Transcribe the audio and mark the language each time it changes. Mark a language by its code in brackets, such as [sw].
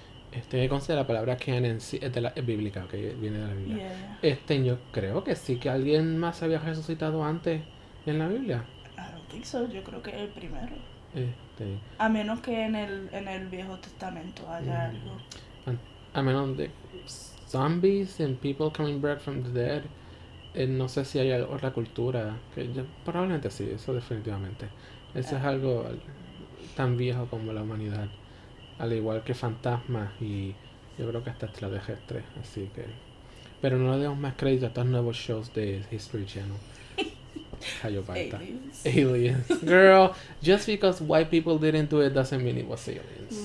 [es] Este, hay que considerar la palabra canon en sí, es de la, es bíblica, que okay, viene de la Biblia. [en] Yeah. [es] Este, yo creo que sí, que alguien más había resucitado antes en la Biblia. [en] I don't think so, [es] yo creo que el primero. Este. A menos que en el Viejo Testamento haya algo. A menos de [en] zombies and people coming back from the dead. [es] No sé si hay otra cultura. Que yo, probablemente sí, eso definitivamente. Eso es algo tan viejo como la humanidad. Al igual que fantasmas y yo creo que hasta extraterrestres. Así que. Pero no le demos más crédito a estos nuevos shows de History Channel. Cayo Parta. [en] Aliens. Girl, just because white people didn't do it doesn't mean it was aliens.